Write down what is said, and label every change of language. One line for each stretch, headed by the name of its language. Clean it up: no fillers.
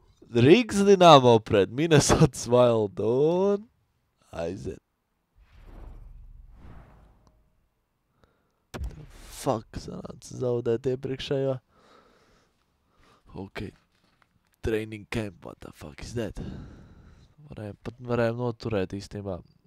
Latvian: Rīgas Dinamo pret Minnesota's Wild, un... Aizen.
English: The fuck,
Latvian: sanāca zaudēt iepriekšējo. Ok.
English: Training camp, what the fuck is that?
Latvian: Varējām noturēt īstībā.